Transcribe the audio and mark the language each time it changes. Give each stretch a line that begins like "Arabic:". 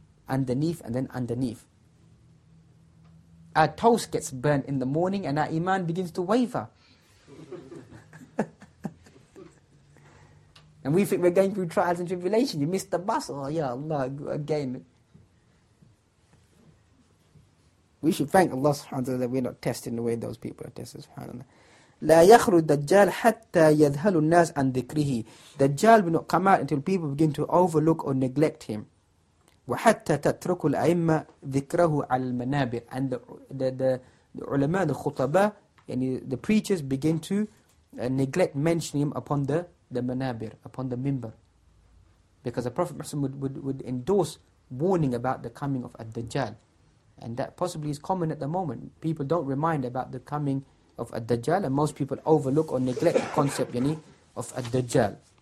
English: And then underneath. Our toast gets burnt in the morning and our iman begins to waver. And we think we're going through trials and tribulations. You missed the bus. Oh, ya Allah, again. We should thank Allah subhanahu wa ta'ala that we're not testing the way those people are tested, subhanAllah.
Arabic: لا يخرج دجال حتى يذهل الناس عن ذكره.
English: Dajjal will not come out until people begin to overlook or neglect him.
Arabic: وحتى تترك الأئمة ذكره على المنابر.
English: And the ulama, the khutaba, and the preachers begin to neglect mentioning him upon the manabir, upon the minbar. Because the Prophet Muhammad would endorse warning about the coming of Ad-Dajjal. And that possibly is common at the moment. People don't remind about the coming of Ad-Dajjal, and most people overlook or neglect the concept yani, of Ad-Dajjal.